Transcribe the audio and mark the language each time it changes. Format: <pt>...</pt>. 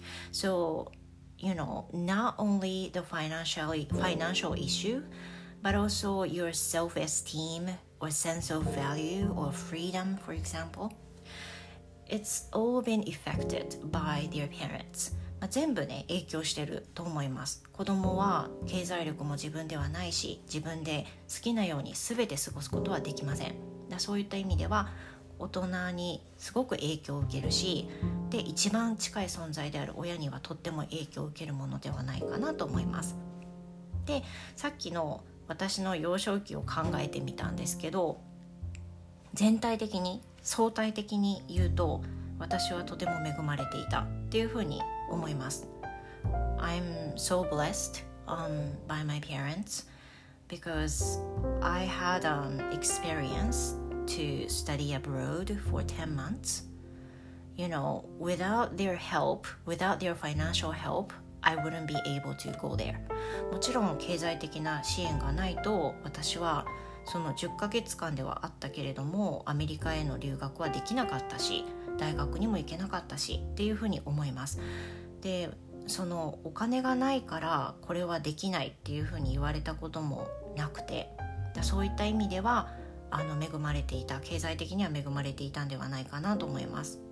<en>So, you know, not only the financial issue, but also your self-esteem or sense of value or freedom, for example. It's all been affected by their parents.</en> <ja>全部ね影響してると思います。子供は経済力も自分ではないし、自分で好きなように全て過ごすことはできません。だそういった意味では大人にすごく影響を受けるし、で一番近い存在である親にはとっても影響を受けるものではないかなと思います。でさっきの私の幼少期を考えてみたんですけど、全体的に相対的に言うと私はとても恵まれていたっていうふうに思います。</ja> <en>I'm so blessed by my parents because I had an experience to study abroad for 10 months. You know, without their help, without their financial help, I wouldn't be able to go there.</en> <ja>もちろん経済的な支援がないと私はその10ヶ月間ではあったけれども、アメリカへの留学はできなかったし、大学にも行けなかったしっていうふうに思います。でそのお金がないからこれはできないっていうふうに言われたこともなくて、だそういった意味では恵まれていた、経済的には恵まれていたんではないかなと思います。</ja>